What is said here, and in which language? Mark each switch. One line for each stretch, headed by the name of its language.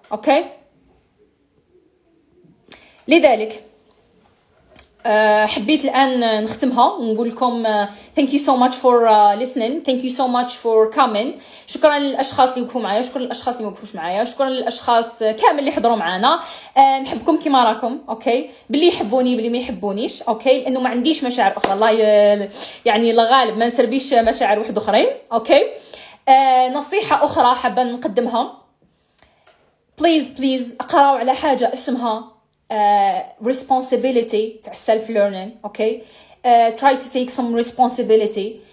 Arabic: اوكي، لذلك حبيت الان نختمها ونقول لكم
English: thank you so much for listening, thank you so much for coming.
Arabic: شكرا للاشخاص اللي وقفوا معايا، شكرا للاشخاص اللي ما وقفوش معايا، شكرا للاشخاص كامل اللي حضروا معانا. نحبكم كيما راكم، اوكي، باللي يحبوني باللي ما يحبونيش، اوكي، لانه ما عنديش مشاعر اخرى، الله يعني لغالب ما نسربيش مشاعر واحد اخرين. اوكي، نصيحه اخرى حابه نقدمها، بليز اقراوا على حاجه اسمها responsibility تاع self learning.
English: Okay, try to take some responsibility.